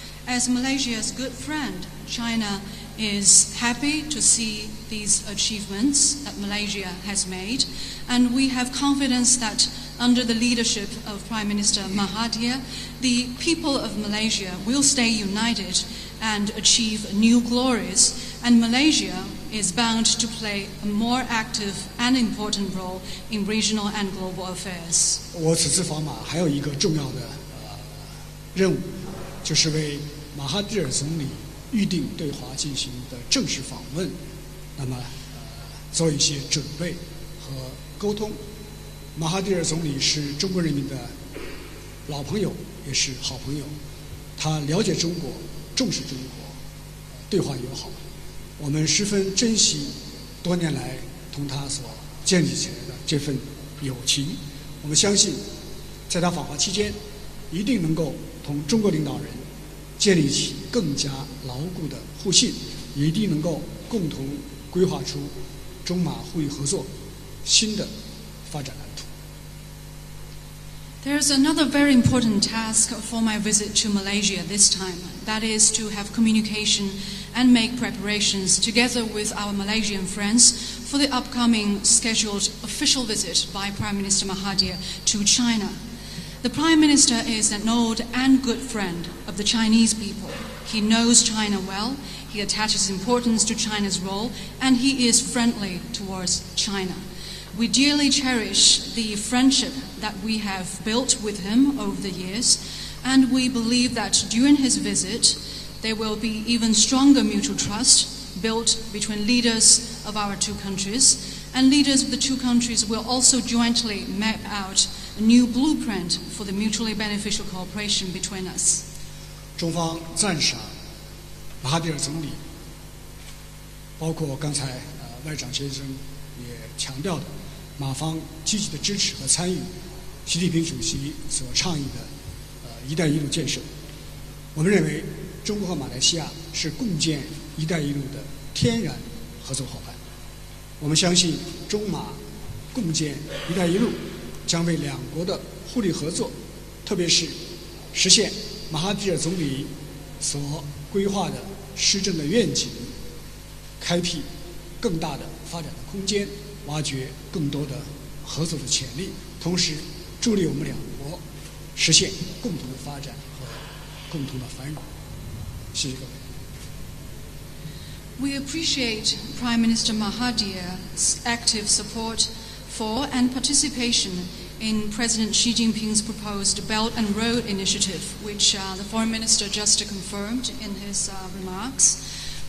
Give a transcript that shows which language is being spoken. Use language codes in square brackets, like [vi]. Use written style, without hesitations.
[en] As Malaysia's good friend, China is happy to see these achievements that Malaysia has made, and we have confidence that under the leadership of Prime Minister Mahathir, the people of Malaysia will stay united and achieve new glories, and Malaysia is bound to play a more active and important role in regional and global affairs. [zh] 我此次访马还有一个重要的任务，就是为马哈蒂尔总理预定对华进行的正式访问，那么做一些准备和沟通。马哈蒂尔总理是中国人民的老朋友，也是好朋友，他了解中国，重视中国，对华友好。我们十分珍惜多年来同他所建立起来的这份友情，我们相信在他访华期间一定能够同中国领导人建立起更加牢固的互信，也一定能够共同规划出中马互利合作新的发展蓝图。 [en] There is another very important task for my visit to Malaysia this time, that is to have communication and make preparations together with our Malaysian friends for the upcoming scheduled official visit by Prime Minister Mahathir to China. The Prime Minister is an old and good friend of the Chinese people. He knows China well, he attaches importance to China's role, and he is friendly towards China. We dearly cherish the friendship that we have built with him over the years, and we believe that during his visit,there will be even stronger mutual trust built between leaders of our two countries, and leaders of the two countries will also jointly map out a new blueprint for the mutually beneficial cooperation between us. [zh] 中方赞赏马哈蒂尔总理，包括刚才外长先生也强调的，马方积极的支持和参与习近平主席所倡议的一带一路建设。我们认为中国和马来西亚是共建“一带一路”的天然合作伙伴。我们相信，中马共建“一带一路”将为两国的互利合作，特别是实现马哈蒂尔总理所规划的施政的愿景，开辟更大的发展的空间，挖掘更多的合作的潜力，同时助力我们两国实现共同的发展和共同的繁荣。 [en] We appreciate Prime Minister Mahathir's active support for and participation in President Xi Jinping's proposed Belt and Road Initiative, which the Foreign Minister just confirmed in his remarks.